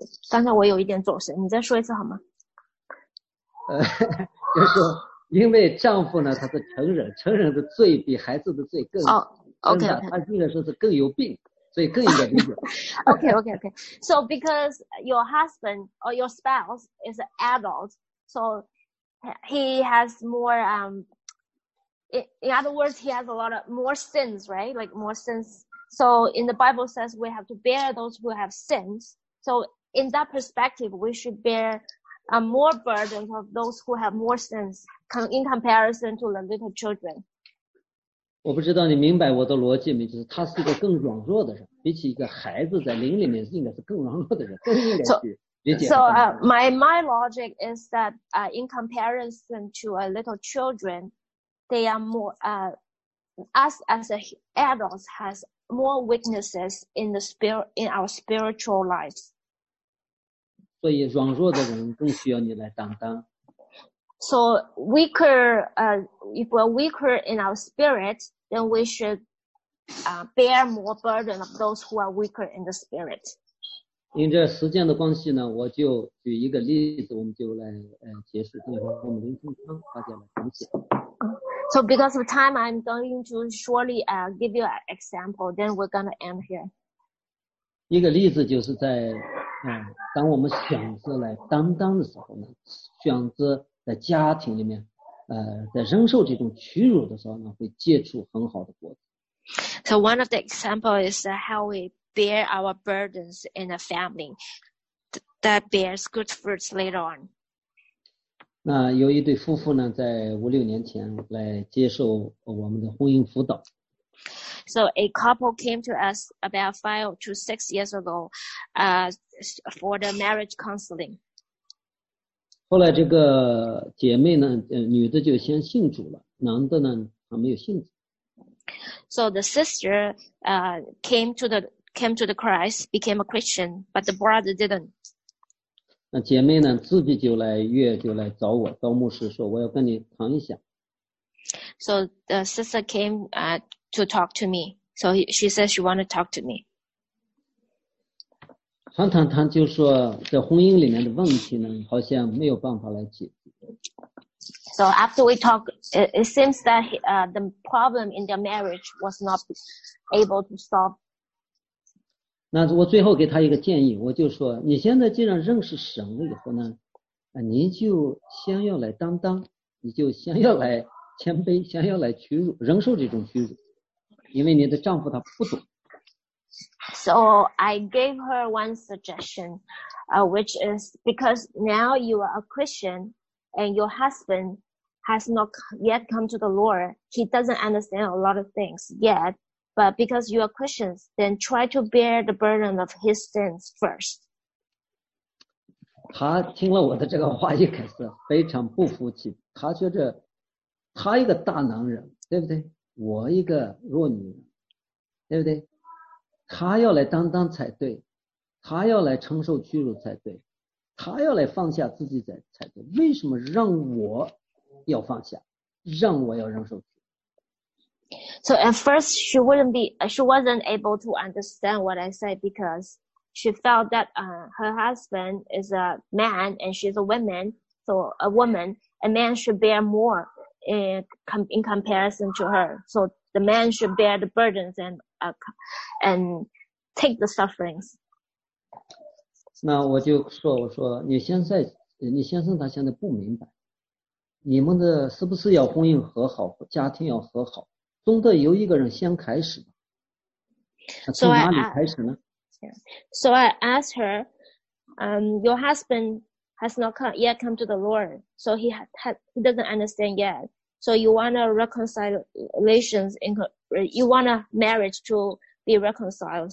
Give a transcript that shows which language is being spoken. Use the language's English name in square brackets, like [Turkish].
[Chinese] 刚才我有一点走神，你再说一次好吗？就是说，因为丈夫呢他是成人，成人的罪比孩子的罪更重大，他应该说是更有病。所以更应该理解。 [English] Okay. So because your husband or your spouse is an adult, so he has more. In other words, he has a lot of more sins, right? Like more sins. So in the Bible says we have to bear those who have sins. So in that perspective, we should bear more burdens of those who have more sins in comparison to the little children. [Chinese] 我不知道你明白我的逻辑没？就是他是一个更软弱的人，比起一个孩子在灵里面应该是更软弱的人，更应该去理解。 [English] So my logic is that in comparison to a little children, they are more us as adults has more weaknesses in the spirit in our spiritual lives. [Chinese] 所以软弱的人更需要你来担当。 [English] So weaker, if we're weaker in our spirit, then we should bear more burden of those who are weaker in the spirit. [Chinese] 因这时间的关系呢，我就举一个例子，我们就来解释这个。我们林中昌大家来分享。 [English] So because of time, I'm going to shortly give you an example. Then we're gonna end here. [Chinese] 一个例子就是在当我们选择来担当的时候呢，选择在家庭里面，在忍受这种屈辱的时候呢，会结出很好的果子。 [English] So one of the examples is how we bear our burdens in a family that bears good fruits later on. [Chinese] 那有一对夫妇呢，在五六年前来接受我们的婚姻辅导。 [English] So a couple came to us about 5 to 6 years ago, for the marriage counseling. [Chinese] 后来这个姐妹呢，女的就先信主了，男的呢还没有信主。 [English] So the sister, came to the Christ, became a Christian, but the brother didn't. [Chinese] 那姐妹呢，自己就来约，就来找我，找牧师说，我要跟你谈一下。 [English] So the sister came, to talk to me. So she said she wanted to talk to me. [Chinese] 谈就说在婚姻里面的问题呢，好像没有办法来解决。 [English] So after we talk, it seems that the problem in their marriage was not able to solve. [Chinese] 那我最后给他一个建议，我就说，你现在既然认识神以后呢，你就先要来担当，你就先要来谦卑，先要来屈辱，忍受这种屈辱，因为你的丈夫他不懂。 [English] So I gave her one suggestion, which is because now you are a Christian and your husband has not yet come to the Lord. He doesn't understand a lot of things yet, but because you are Christians, then try to bear the burden of his sins first. [Chinese] 他听了我的这个话，一开始非常不服气，他觉得他一个大男人，对不对？我一个弱女人，对不对？他要来担当才对，他要来承受屈辱才对，他要来放下自己才对。为什么让我要放下，让我要忍受屈辱？ [English] So at first she wouldn't be, she wasn't able to understand what I said because she felt that her husband is a man and she's a woman, so a woman, a man should bear more in comparison to her. So the man should bear the burdens and take the sufferings. [Chinese] 那我就说，我说你现在，你先生他现在不明白，你们的是不是要婚姻和好，家庭要和好，总得由一个人先开始。那从哪里开始呢？ [English] So I asked her, your husband has not yet come to the Lord, so he doesn't understand yet. So you want a reconciliation, you want a marriage to be reconciled.